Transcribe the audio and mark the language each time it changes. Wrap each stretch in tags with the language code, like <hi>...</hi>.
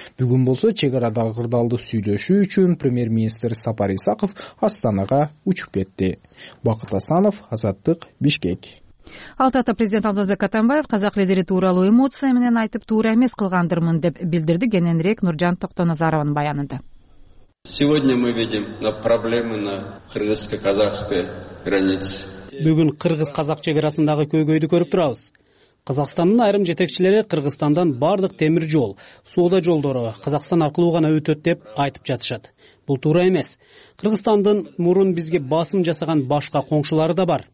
<ky>Бүгүн болсо чек арадагы кырдаалды сүйлөшүү үчүн премьер-министр Сапар Исаков Астанага учуп кетти. Бакыт Асанов, Азаттык, Бишкек. Алтайда президент Алмазбек Атамбаев казак лидери тууралуу эмоция менен айтып туура эмес кылгандырмын деп билдирди. Кененирээк Нуржан Токтоназаровун баянында.</ky> <ru>Сегодня мы видим на проблемы на кыргызско-казакской границе.</ru> <ky>Бүгүн кыргыз-казак чек арасындагы көйгөйдү көрүп турабыз. Казахстандын айрым жетекчилери Кыргызстандан бардык темир жол, соода жолдору Казахстан аркылуу гана өтөт деп айтып жатышат. Бул туура эмес. Кыргызстандын мурун бизге басым жасаган башка коңшулары да бар.</ky>